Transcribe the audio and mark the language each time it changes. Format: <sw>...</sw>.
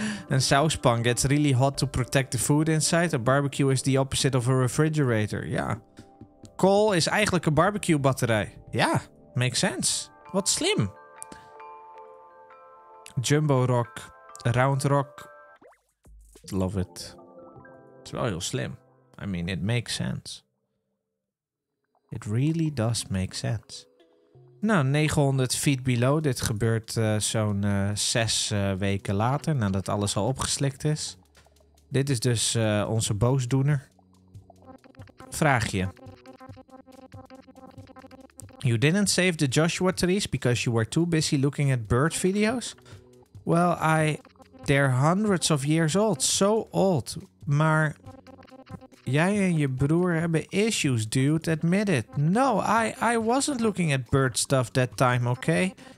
<en>A saucepan gets really hot to protect the food inside. A barbecue is the opposite of a refrigerator. Ja. Yeah.</en> <nl>Coal is eigenlijk een barbecue batterij.</nl> <en>Ja, yeah, makes sense.</en> <nl>Wat slim.</nl> <en>Jumbo rock. Round rock. Love it.</en> <nl>Het is wel heel slim.</nl> <en>I mean, it makes sense. It really does make sense.</en> <nl>Nou, 900 feet below. Dit gebeurt zo'n zes weken later, nadat alles al opgeslikt is. Dit is dus onze boosdoener. Vraag je.</nl> <en>You didn't save the Joshua trees because you were too busy looking at bird videos? Well, they're hundreds of years old. So old.</en> <nl>Maar jij en je broer hebben issues, dude.</nl> <en>Admit it. No, I wasn't looking at bird stuff that time, okay?</en>